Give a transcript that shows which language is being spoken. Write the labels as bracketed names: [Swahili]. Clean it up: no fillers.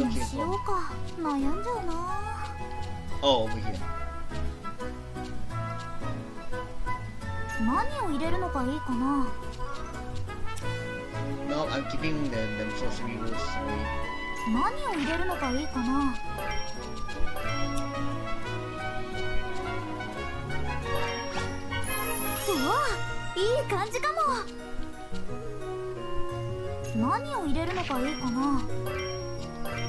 [Japanese] 何にしようか悩んじゃうな。 [English] Oh, over here. [Japanese] 何を入れるのがいいかな。 [English] No, I'm keeping the sorcery rules. [Japanese] 何を入れるのがいいかな。おお、いい感じかも。何を入れるのがいいかな。